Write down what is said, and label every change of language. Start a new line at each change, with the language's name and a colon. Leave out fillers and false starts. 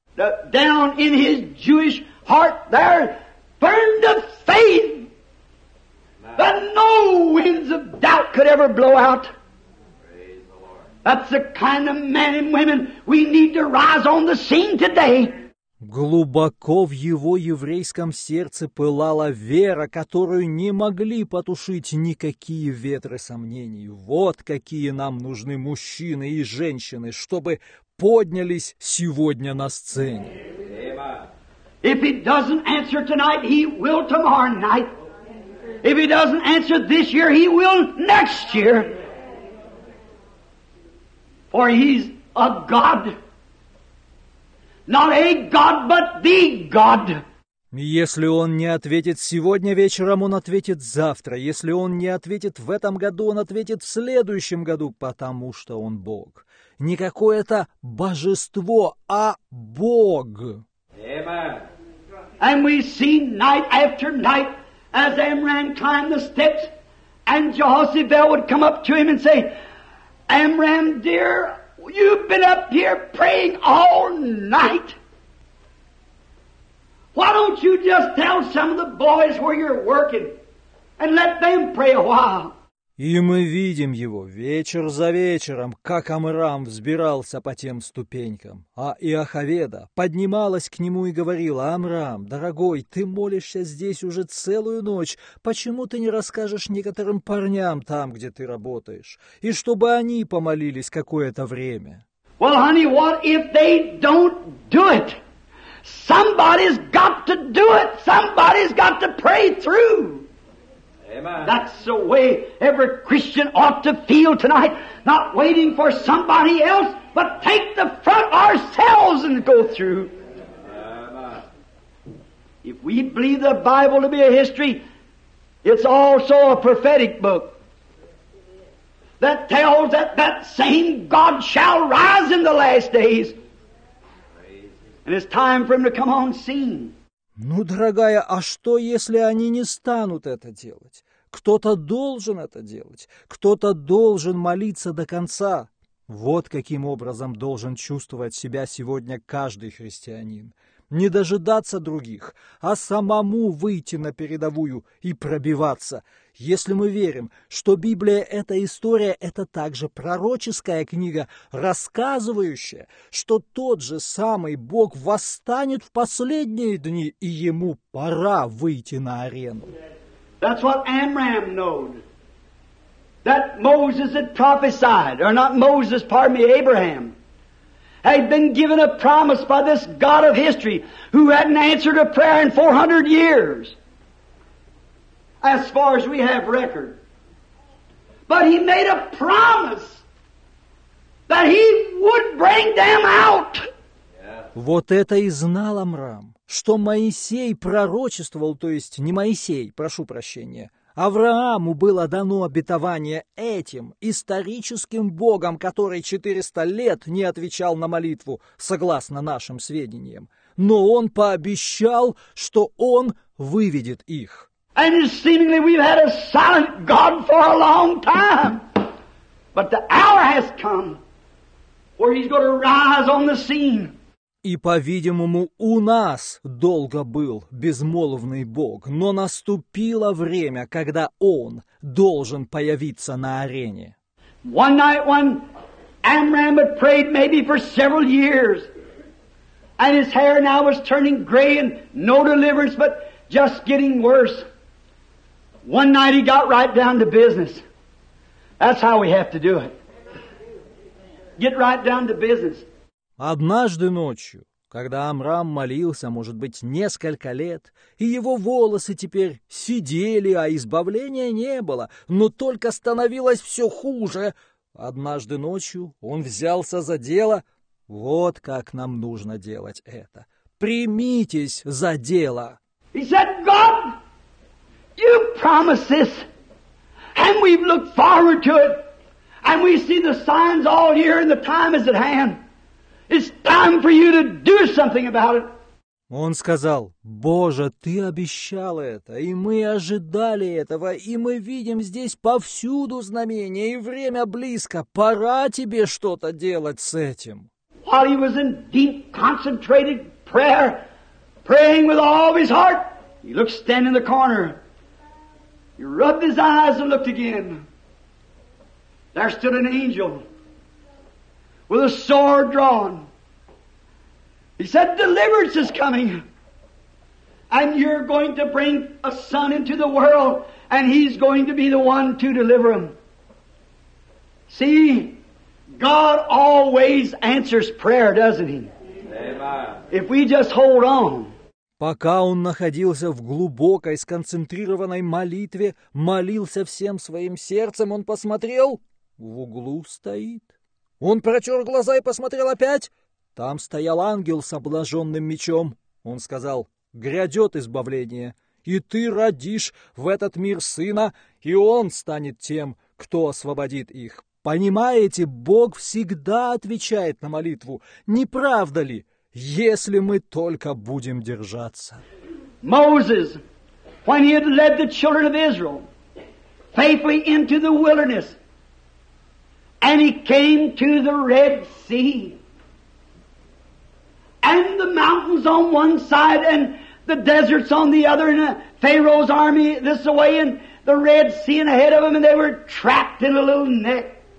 English: Down in his Jewish heart there burned the faith that no winds of doubt could ever blow out. That's the kind of men and women we need to rise on the scene today.
Russian: Глубоко в его еврейском сердце пылала вера, которую не могли потушить никакие ветры сомнений. Вот какие нам нужны мужчины и женщины, чтобы поднялись сегодня на сцене.
English: If he doesn't answer tonight, he will tomorrow night. If he doesn't answer this year, he will next year. For he's a God. Not a God, but the God.
Russian: Если он не ответит сегодня вечером, он ответит завтра. Если он не ответит в этом году, он ответит в следующем году, потому что он Бог. Не какое-то божество, а Бог.
English: And we see night after night as Amram climbed the steps and Jehoshaphat would come up to him and say, Amram, dear, you've been up here praying all night. Why don't you just tell some of the boys where you're working and let them pray a while?
Russian: И мы видим его вечер за вечером, как Амрам взбирался по тем ступенькам. А Иоховеда поднималась к нему и говорила, «Амрам, дорогой, ты молишься здесь уже целую ночь. Почему ты не расскажешь некоторым парням там, где ты работаешь, и чтобы они помолились какое-то время?»
English: Well, honey, what if they don't do it? Somebody's got to do it. Somebody's got to pray through. That's the way every Christian ought to feel tonight, not waiting for somebody else, but take the front ourselves and go through. If we believe the Bible to be a history, it's also a prophetic book that tells that that same God shall rise in the last days, and it's time for him to come on scene.
Russian: Ну, дорогая, а что, если они не станут это делать? Кто-то должен это делать, кто-то должен молиться до конца. Вот каким образом должен чувствовать себя сегодня каждый христианин. Не дожидаться других, а самому выйти на передовую и пробиваться. Если мы верим, что Библия – это история, это также пророческая книга, рассказывающая, что тот же самый Бог восстанет в последние дни, и ему пора выйти на арену.
English: That's what Amram knew. That Moses had prophesied, or not Moses, pardon me, Abraham, had been given a promise by this God of history who hadn't answered a prayer in 400 years, as far as we have record. But he made a promise that he would bring them out.
Russian: Вот это и знал Амрам, что Моисей пророчествовал, то есть не Моисей, прошу прощения, Аврааму было дано обетование этим историческим Богом, который 400 лет не отвечал на молитву, согласно нашим сведениям. Но он пообещал, что он выведет их.
English: And seemingly we've had a silent God for a long time. But the hour has come where he's going to rise on the scene.
Russian: И, по-видимому, у нас долго был безмолвный Бог, но наступило время, когда Он должен появиться на арене.
English: One night when Amram had prayed maybe for several years, and his hair now was turning gray and no deliverance, but just getting worse. One night he got right down to business. That's how we have to do it. Get right down to business.
Russian: Однажды ночью, когда Амрам молился, может быть, несколько лет, и его волосы теперь сидели, а избавления не было, но только становилось все хуже, однажды ночью он взялся за дело. Вот как нам нужно делать это. Примитесь за дело.
English: He said, God, you promise this, and we've looked forward to it, and we see the signs all here, and the time is at hand. It's time for you to do something about it.
Russian: Он сказал, «Боже, ты обещал это, и мы ожидали этого, и мы видим здесь повсюду знамения, и время близко. Пора тебе что-то делать с этим».
English: While he was in deep, concentrated prayer, praying with all of his heart, he looked standing in the corner. He rubbed his eyes and looked again. There stood an angel with a sword drawn, He said, deliverance is coming. And you're going to bring a son into the world, and he's going to be the one to deliver him. See, God always answers prayer, doesn't he? If we just hold on.
Russian: Пока он находился в глубокой, сконцентрированной молитве, молился всем своим сердцем, он посмотрел, в углу стоит. Он протер глаза и посмотрел опять. Там стоял ангел с обнаженным мечом. Он сказал, грядет избавление, и ты родишь в этот мир сына, и он станет тем, кто освободит их. Понимаете, Бог всегда отвечает на молитву, не правда ли? Если мы только будем держаться.
English: Moses, when he had led the children of Israel faithfully into the wilderness, and he came to the Red Sea, and the mountains on one side, and the deserts on the other, and Pharaoh's army this way, and the Red Sea ahead of him, and they were trapped in a little net.